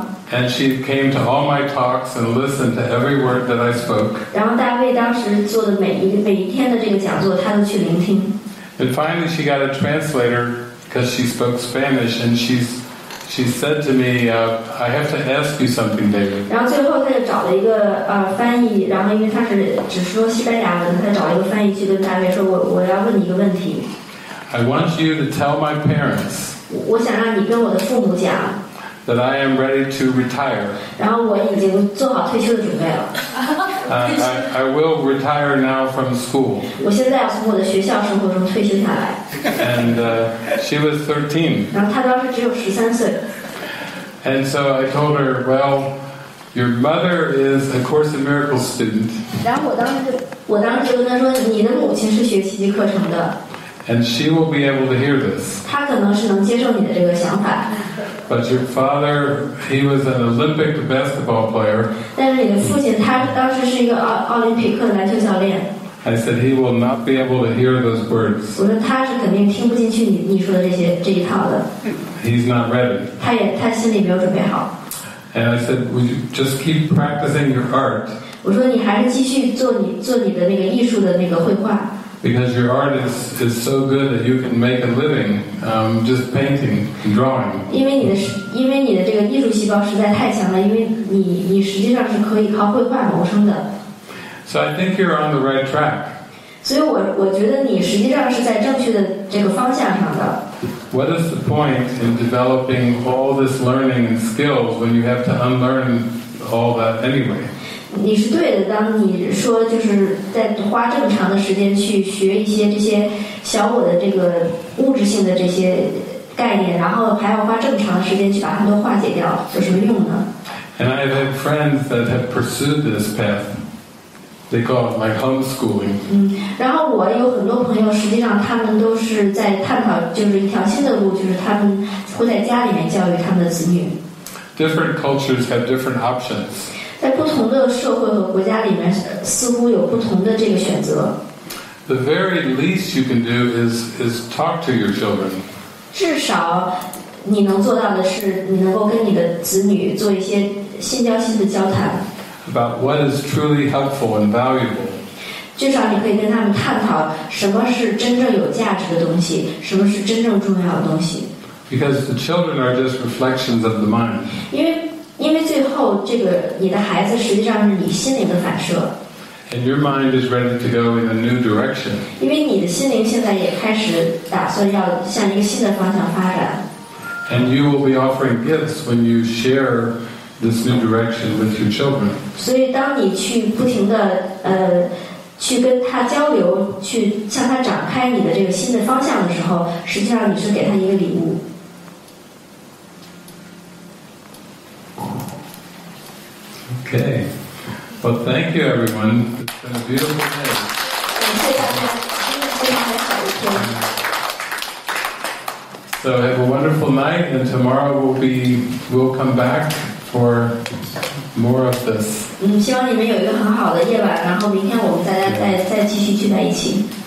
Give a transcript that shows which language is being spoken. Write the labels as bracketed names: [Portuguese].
[English] And she came to all my talks and listened to every word that I spoke. And finally she got a translator because she spoke Spanish and she's She said to me, I have to ask you something, David. [Chinese] 然后最后他就找了一个翻译，然后因为他是只说西班牙文，他找一个翻译去跟大卫说，我要问你一个问题。 [English] I want you to tell my parents. [Chinese] 我想让你跟我的父母讲。 [English] That I am ready to retire. [Chinese] 然后我已经做好退休的准备了。 [English] I will retire now from school. [Chinese] 我现在要从我的学校生活中退休下来。 [English] And she was 13. [Chinese] 然后她当时只有13岁。 [English] And so I told her, well, your mother is a Course in Miracles student. [Chinese] 然后我当时就跟她说，你的母亲是学奇迹课程的。 [English] And she will be able to hear this. [Chinese] 她可能是能接受你的这个想法。 [English] But your father, he was an Olympic basketball player. [Chinese] 但是你的父亲，他当时是一个奥林匹克的篮球教练。 [English] I said he will not be able to hear those words. [Chinese] 我说他是肯定听不进去你说的这一套的。 [English] He's not ready. [Chinese] 他心里没有准备好。 [English] And I said, would you just keep practicing your art? [Chinese] 我说你还是继续做你的那个艺术的那个绘画。 [English] Because your art is so good that you can make a living just painting and drawing. [Chinese] 因为你的这个艺术细胞实在太强了，因为你实际上是可以靠绘画谋生的。 [English] So I think you're on the right track. [Chinese] 所以我觉得你实际上是在正确的这个方向上的。 [English] What is the point in developing all this learning and skills when you have to unlearn all that anyway? [Chinese] 你是对的，当你说就是在花这么长的时间去学一些这些小我的这个物质性的这些概念，然后还要花这么长的时间去把它们都化解掉，有什么用呢？ [English] And I have friends that have pursued this path. They call it like homeschooling. [Chinese] 然后我有很多朋友，实际上他们都是在探讨就是一条新的路，就是他们会在家里面教育他们的子女。 [English] Different cultures have different options. [Chinese] 在不同的社会和国家里面，似乎有不同的这个选择。 [English] The very least you can do is talk to your children. [Chinese] 至少你能做到的是，你能够跟你的子女做一些心交心的交谈。 [English] About what is truly helpful and valuable. [Chinese] 至少你可以跟他们探讨什么是真正有价值的东西，什么是真正重要的东西。 [English] Because the children are just reflections of the mind. [Chinese] 因为最后这个你的孩子实际上是你心灵的反射。 [English] And your mind is ready to go in a new direction. [Chinese] 因为你的心灵现在也开始打算要向一个新的方向发展。 [English] And you will be offering gifts when you share this new direction with your children. [Chinese] 所以当你去不停地去跟他交流，去向他展开你的这个新的方向的时候，实际上你是给他一个礼物。 [English] Okay. Well, thank you, everyone. It's been a beautiful day. So have a wonderful night, and tomorrow we'll come back for more of this. [Chinese] 希望你们有一个很好的夜晚，然后明天我们再继续聚在一起。